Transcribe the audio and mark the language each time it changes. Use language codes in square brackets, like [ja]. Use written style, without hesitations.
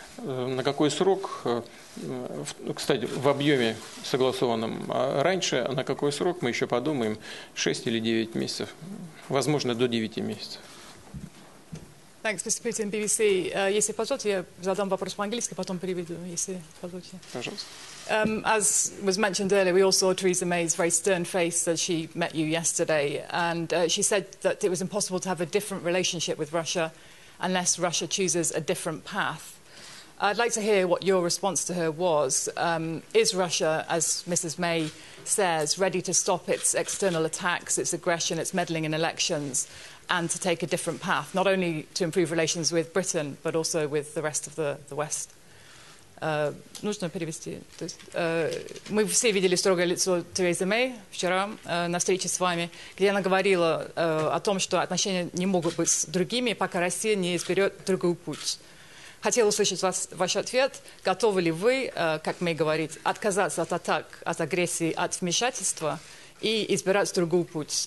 [ru] На какой срок, кстати, в объеме согласованном раньше, на какой срок, мы еще подумаем, 6 или 9 месяцев, возможно, до 9 месяцев. [en] Thanks, Mr. Putin, BBC. [ru] Если позвольте, я задам вопрос по-английски, потом переведу, если позвольте. Пожалуйста. [en] As was mentioned earlier, we all saw Theresa May's very stern face as she met you yesterday, and she said that it was impossible to have a different relationship with Russia unless Russia chooses a different path. I'd like to hear what your response to her was. Is Russia, as Mrs. May says, ready to stop its external attacks, its aggression, its meddling in elections, and to take a different path, not only to improve relations with Britain, but also with the rest of the West? [ru] Нужно перевести. Мы все видели строгое лицо Терезы Мэй вчера на встрече с вами, где она говорила о том, что отношения не могут быть с другими, пока Россия не изберет другой путь. Хотела услышать ваш ответ. Готовы ли вы, как Мэй говорит, отказаться от атак, от агрессии, от вмешательства и избирать другой путь?